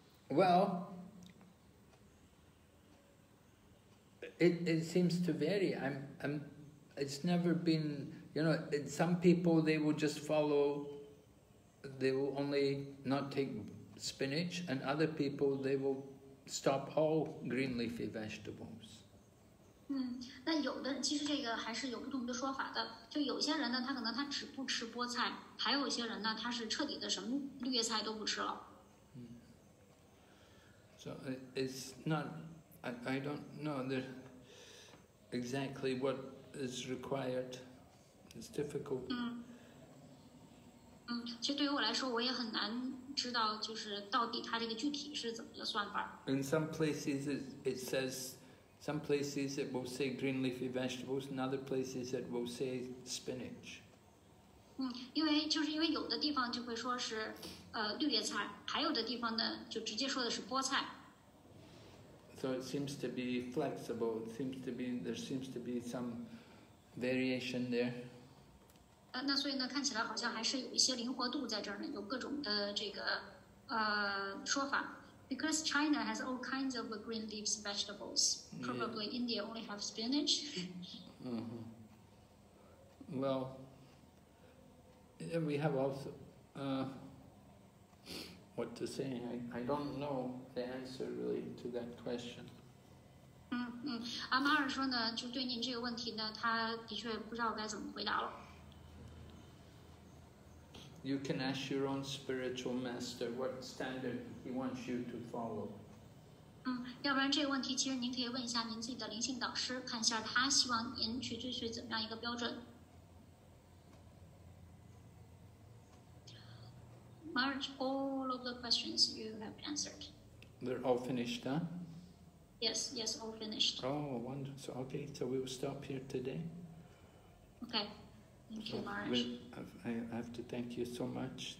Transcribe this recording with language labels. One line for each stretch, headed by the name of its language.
English: Well,It seems to vary. It's never been, you know, some people, they will just follow, they will only not take spinach, and other people, they will stop all green leafy vegetables.
Chinese: 那有的其实这个还是有不同的说法的。就有些人呢，他可能他只不吃菠菜，还有些人呢，他是彻底的什么绿叶菜都不吃了。
English: So it's not, I don't know, exactly what is required. It's difficult.
Chinese: 其实对于我来说，我也很难知道，就是到底它这个具体是怎么个算法。
English: In some places it says, some places it will say green leafy vegetables, in other places it will say spinach.
Chinese: 因为有的地方就会说是绿叶菜，还有的地方呢就直接说的是菠菜。
English: So it seems to be flexible. It seems to be, there seems to be some variation there.
Chinese: 那所以呢，看起来好像还是有一些灵活度在这儿呢，有各种的这个说法。
English: Because China has all kinds of green leaves vegetables. Probably yeah. India only have spinach. Mm-hmm. Well, we have also, what to say, I don't know the answer really to that question.
Chinese: 阿马尔说呢，就对您这个问题呢，他的确不知道该怎么回答了。
English: You can ask your own spiritual master what standard he wants you to follow.
Chinese: 要不然这个问题其实您可以问一下您自己的灵性导师，看一下他希望您去追随怎么样一个标准。
English: Marge, all of the questions you have answered. They're all finished, huh? Yes, all finished. Oh, wonderful. So, okay, so we will stop here today. Okay. Thank you, Marge. I have to thank you so much.